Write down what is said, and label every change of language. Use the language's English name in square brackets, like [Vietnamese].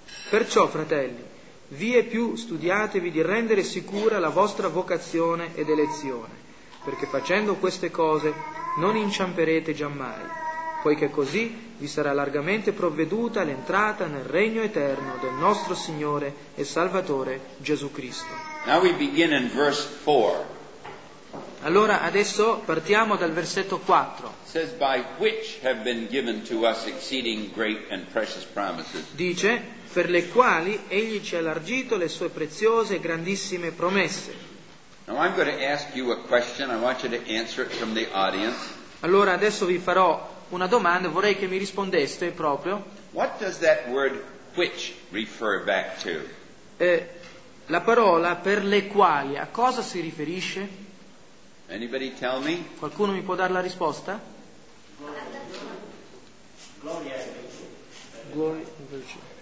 [Italian] Perciò, fratelli, vi è più studiatevi di rendere sicura la vostra vocazione ed elezione, perché facendo queste cose non inciamperete giammai, poiché così vi sarà largamente provveduta l'entrata nel regno eterno del nostro Signore e Salvatore Gesù Cristo. [English] Now we begin in verse 4. [Italian] Allora adesso partiamo dal versetto 4. [English] Says, by which have been given to us exceeding great and precious promises. [Italian] Dice, per le quali egli ci ha allargito le sue preziose e grandissime promesse. [English] Now I'm going to ask you a question. I want you to answer it from the audience. [Italian] Allora adesso vi farò una domanda, vorrei che mi rispondeste proprio. [English] What does that word which refer back to? [Italian] La parola per le quali, a cosa si riferisce? [English] Anybody tell me? [Italian] Qualcuno mi può dare la risposta? Gloria in virtù.